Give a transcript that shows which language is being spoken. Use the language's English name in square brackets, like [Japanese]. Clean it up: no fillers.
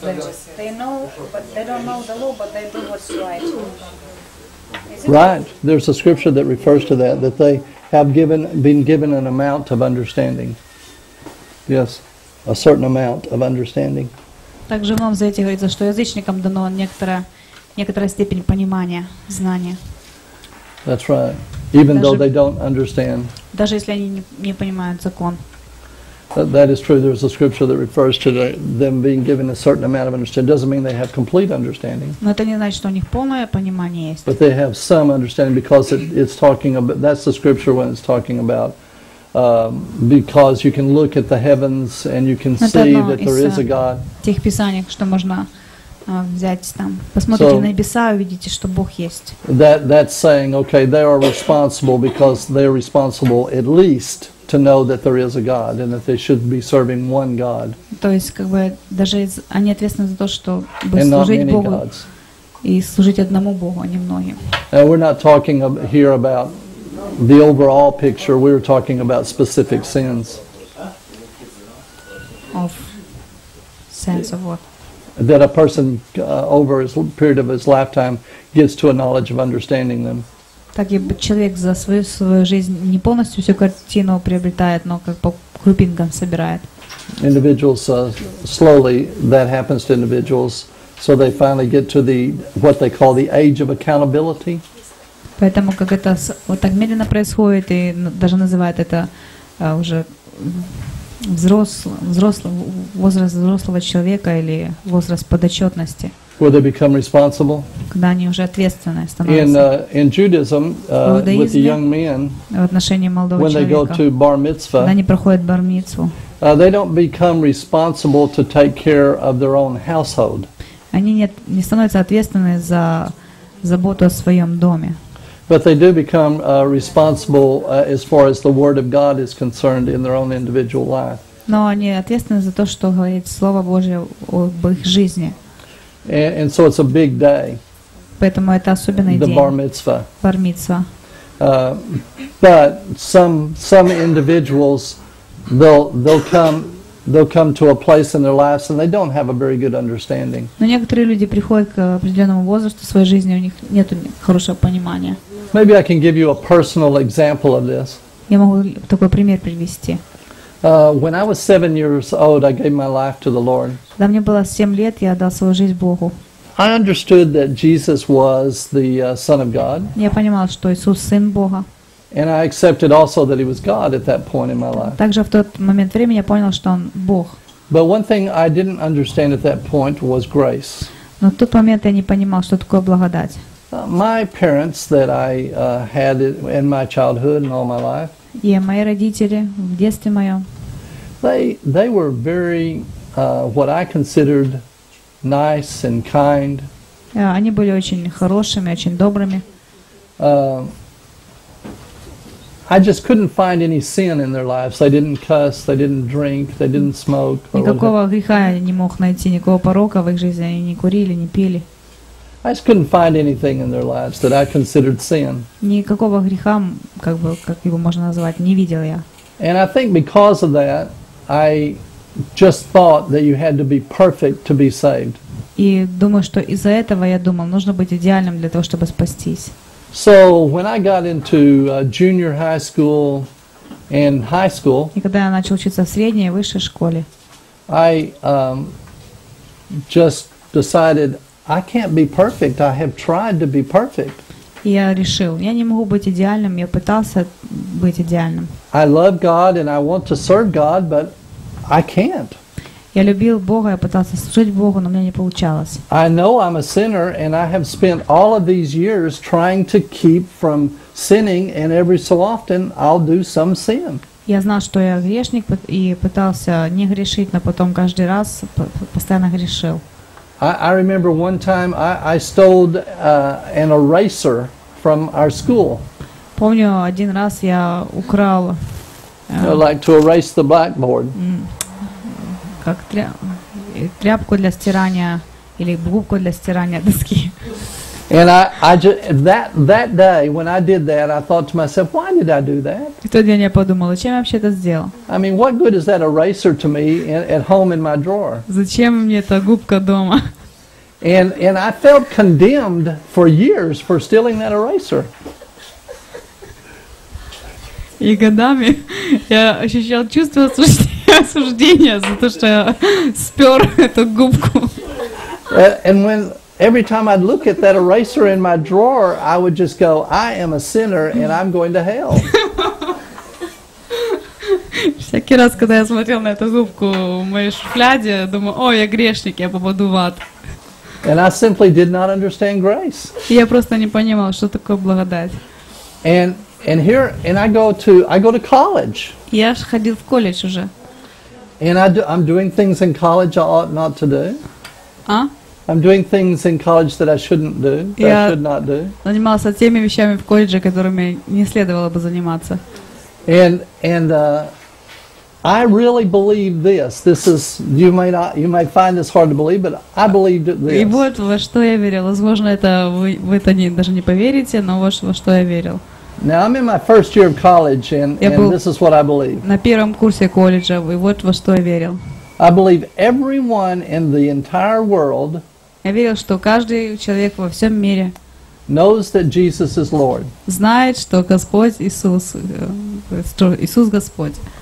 [English] That they know, but they don't know the law, but they do what's right. Right. There's a scripture that refers to that they have been given an amount of understanding. Yes. A certain amount of understanding. [Russian] Также в Новом Завете говорится, что язычникам дано некоторая степень понимания, знания. [English] That's right. Even though they don't understand. [Russian] Даже если они не понимают закон. [English] That is true. There's a scripture that refers to them being given a certain amount of understanding. Doesn't mean they have complete understanding. [Russian] Но это не значит, что у них полное понимание есть. [English] But they have some understanding because it's talking about. That's the scripture when it's talking about. Because you can look at the heavens and you can see that there is a God. [Russian] Тех писаний, что можно взять там, посмотрите на небеса, увидите, что Бог есть. [English] That's saying, okay, they are responsible because they are responsible at least to know that there is a God and that they should be serving one God. [Russian] То есть, как бы даже они ответственны за то, чтобы служить Богу и служить одному Богу, а не многим. [English] And we're not talking here about the overall picture, we were talking about specific sins. Of sins of what? That a person over a period of his lifetime gets to a knowledge of understanding them. [Russian] Так и человек за свою жизнь не полностью всю картину приобретает, но как по крупинкам собирает. [English] Individuals, slowly that happens to individuals, so they finally get to the, what they call the age of accountability. [Russian] Поэтому как это вот так медленно происходит и даже называют это уже возраст взрослого человека или возраст подотчетности. [English] Where they become responsible? [Russian] Когда они уже ответственны становятся. [English] In Judaism, with the young men, [Russian] в отношении молодого [English] when [Russian] человека, [English] they go to bar mitzvah, [Russian] когда они проходят бар мицву, [English] they don't become responsible to take care of their own household. [Russian] Они не становятся ответственны за заботу о своем доме. [English] But they do become responsible as far as the word of God is concerned in their own individual life. [Russian] Но они ответственны за то, что говорит Слово Божье об их жизни. [English] And so it's a big day. [Russian] Поэтому это особенный день. [English] The bar mitzvah. [Russian] Бар мицва. [English] But some individuals they'll come to a place in their lives and they don't have a very good understanding. [Russian] Но некоторые люди приходят к определенному возрасту в своей жизни, у них нет хорошего понимания. [English] Maybe I can give you a personal example of this. [Russian] Я могу такой пример привести. [English] When I was 7 years old, I gave my life to the Lord. [Russian] Когда мне было 7 лет, я отдал свою жизнь Богу. [English] I understood that Jesus was the Son of God. [Russian] Я понимал, что Иисус Сын Бога. [English] And I accepted also that He was God at that point in my life. [Russian] Также в тот момент времени я понял, что Он Бог. [English] But one thing I didn't understand at that point was grace. [Russian] Но в тот момент я не понимал, что такое благодать. [English] My parents that I had in my childhood and all my life. [Russian] Yeah, мои родители в детстве моем. [English] They were very what I considered nice and kind. [Russian] Они были очень хорошими, очень добрыми. [English] I just couldn't find any sin in their lives. They didn't cuss, they didn't drink, they didn't smoke. [Russian] Никакого греха я не мог найти, никакого порока в их жизни. Они не курили, не пили. [English] I just couldn't find anything in their lives that I considered sin. [Russian] Никакого греха, как его можно назвать, не видел я. [English] And I think because of that, I just thought that you had to be perfect to be saved. [Russian] И думаю, что из-за этого я думал, нужно быть идеальным для того, чтобы спастись. [English] So when I got into junior high school and high school, [Russian] и когда я начал учиться в средней и высшей школе, [English] I just decided I can't be perfect. I have tried to be perfect. [Russian] Я решил, я не могу быть идеальным. Я пытался быть идеальным. [English] I love God and I want to serve God, but I can't. [Russian] Я любил Бога, я пытался служить Богу, но у меня не получалось. [English] I know I'm a sinner, and I have spent all of these years trying to keep from sinning, and every so often I'll do some sin. [Russian] Я знал, что я грешник, и пытался не грешить, но потом каждый раз постоянно грешил. [English] I remember one time I stole an eraser from our school. [Russian] Помню, один раз я украл... [English] like to erase the blackboard. [Russian] Как тряпку для стирания или губку для стирания доски. [English] And I just, that day when I did that, I thought to myself, why did I do that? [Russian] В тот день я подумал, зачем я вообще это сделал? [English] I mean, what good is that eraser to me at home in my drawer? [Russian] Зачем мне эта губка дома? [English] And I felt condemned for years for stealing that eraser. [Russian] И годами я ощущал чувство осуждения за то, что я спер эту губку. [English] And when every time I'd look at that eraser in my drawer, I would just go, I am a sinner and I'm going to hell. [Russian] Всякий раз, когда я смотрел на эту губку в моей шляде, думаю, о, я грешник, я попаду в ад. [English] And I simply did not understand grace. [Russian] Я просто не понимал, что такое благодать. [English] And I go to college. [Russian] Я же ходил в колледж уже. [English] And I'm doing things in college I ought not to do. А? I'm doing things in college that I shouldn't do, that I should not do. [Russian] Я занимался теми вещами в колледже, которыми не следовало бы заниматься. [English] And I really believe this. This is you may find this hard to believe, but I believed it this. [Russian] И вот во что я верил. Возможно, это вы это не даже не поверите, но вот во что я верил. [English] Now I'm in my first year of college, and this is what I believe. [Russian] На первом курсе колледжа, и вот во что я верил. [English] I believe everyone in the entire world. [Russian] Я верил, что каждый человек во всем мире [English] knows that Jesus is Lord. [Russian] Знает, что Господь Иисус, что Иисус Господь.